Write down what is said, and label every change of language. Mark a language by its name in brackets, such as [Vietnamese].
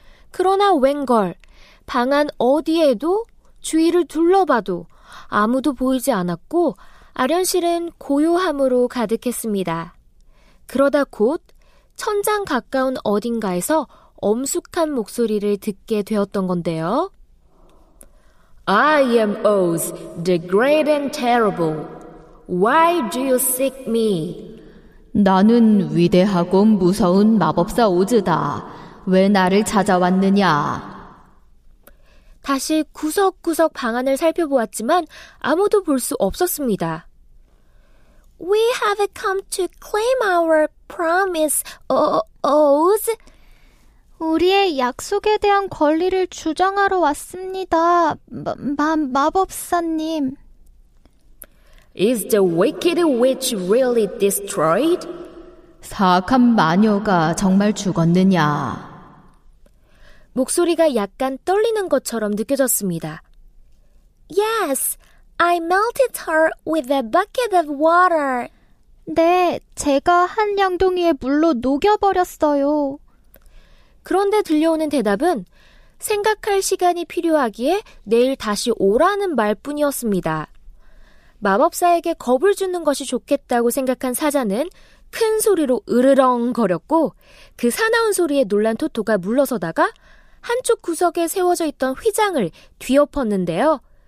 [Korean] 그러나 웬걸, 방 안 어디에도 주위를 둘러봐도 아무도 보이지 않았고 아련실은 고요함으로 가득했습니다. 그러다 곧 천장 가까운 어딘가에서 엄숙한 목소리를 듣게 되었던 건데요. [English] I am Oz, the great and terrible. Why do you seek me? [Korean] 나는 위대하고 무서운 마법사 오즈다. 왜 나를 찾아왔느냐? 다시 구석구석 방 안을 살펴보았지만 아무도 볼 수 없었습니다. [English] We have come to claim our promise, Oz. [Korean] 우리의 약속에 대한 권리를 주장하러 왔습니다, 마법사님. [English] Is the wicked witch really destroyed? [Korean] 사악한 마녀가 정말 죽었느냐? 목소리가 약간 떨리는 것처럼 느껴졌습니다. [English] Yes, I melted her with a bucket of water. [Korean] 네, 제가 한 양동이에 물로 녹여버렸어요. 그런데 들려오는 대답은 생각할 시간이 필요하기에 내일 다시 오라는 말뿐이었습니다. 마법사에게 겁을 주는 것이 좋겠다고 생각한 사자는 큰 소리로 으르렁거렸고 그 사나운 소리에 놀란 토토가 물러서다가 한쪽 구석에 세워져 있던 휘장을 뒤엎었는데요.